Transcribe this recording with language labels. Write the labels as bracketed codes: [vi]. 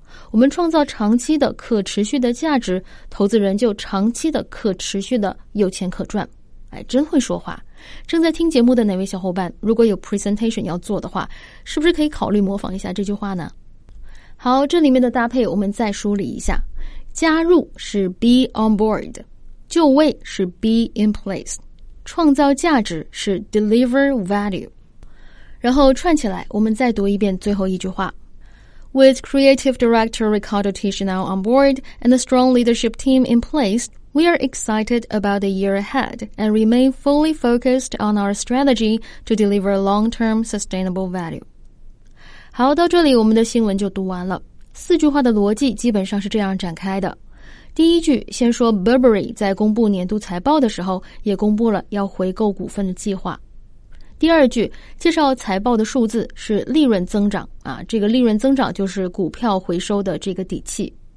[zh] 我们创造长期的可持续的价值，投资人就长期的可持续的有钱可赚。哎，真会说话。正在听节目的哪位小伙伴，如果有 presentation 要做的话，是不是可以考虑模仿一下这句话呢？好，这里面的搭配我们再梳理一下。加入是 be on board， 就位是 be in place， 创造价值是 deliver value。然后串起来，我们再读一遍最后一句话。 [en] With creative director Ricardo Tichenor on board and a strong leadership team in place, we are excited about the year ahead and remain fully focused on our strategy to deliver long-term sustainable value. [zh] 好，到这里我们的新闻就读完了。四句话的逻辑基本上是这样展开的。第一句先说 Burberry 在公布年度财报的时候也公布了要回购股份的计划。第二句介绍财报的数字是利润增长啊，这个利润增长就是股票回收的这个底气。